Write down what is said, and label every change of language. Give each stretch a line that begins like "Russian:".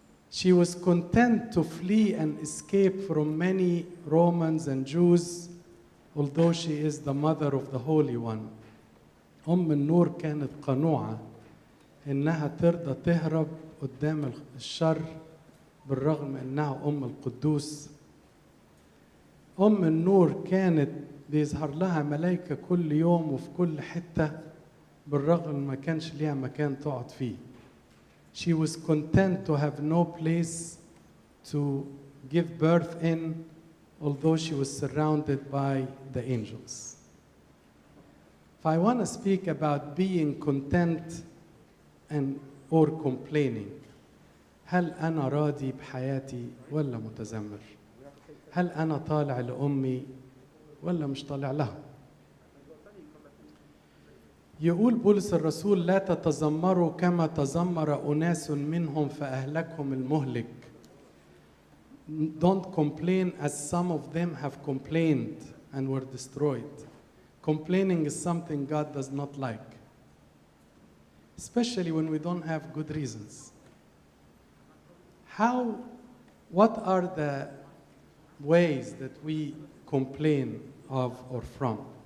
English: She was content to flee and escape from many Romans and Jews although she is the mother of the Holy One.
Arabic: أم النور كانت قنوعة إنها ترضى تهرب قدام الشر بالرغم إنها أم القدوس. أم النور كانت بيظهر لها ملائكة كل يوم وفي كل حتة بالرغم ما كانش ليها مكان تقعد فيه.
English: She was content to have no place to give birth in although she was surrounded by the angels. If I want to speak about being content and or complaining,
Arabic: هل أنا راضي بحياتي ولا متذمر؟ هل أنا طالع لأمي ولا مش طالع لها؟ يقول بولس الرسول لا تتذمروا كما تذمر أناس منهم فأهلكهم المهلك.
English: Don't complain as some of them have complained and were destroyed. Complaining is something God does not like, especially when we don't have good reasons. What are the ways that we complain of or from?